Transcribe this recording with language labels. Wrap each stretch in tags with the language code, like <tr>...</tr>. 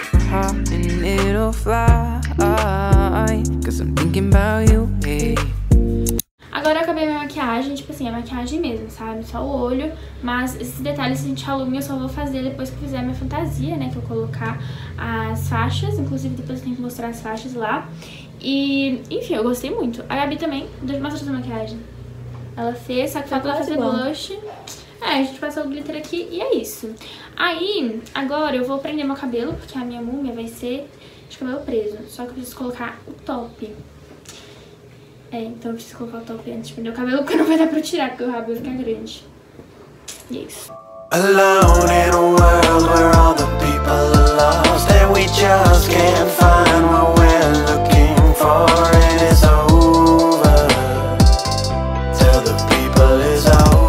<en>And it'll fly. Cause I'm thinking about you, hey.</en> <pt>Agora eu acabei minha maquiagem, tipo assim, a maquiagem mesmo, sabe? Só o olho, mas esses detalhes, gente, alume, eu só vou fazer depois que fizer a minha fantasia, né? Que eu colocar as faixas, inclusive depois eu tenho que mostrar as faixas lá. E, enfim, eu gostei muito. A Gabi também, deixa eu mostrar a maquiagem. Ela fez, só que falta ela fazer blush. É, a gente passou o glitter aqui e é isso. Aí, agora eu vou prender meu cabelo, porque a minha múmia vai ser de cabelo preso. Só que eu preciso colocar o top. É, então eu preciso colocar o top antes de prender o cabelo, porque não vai dar pra eu tirar, porque o rabo fica grande. E é isso.</pt> <en>Alone in a world where all the people are lost, that we just can't find what we're looking for. It is over. Tell the people it's over.</en>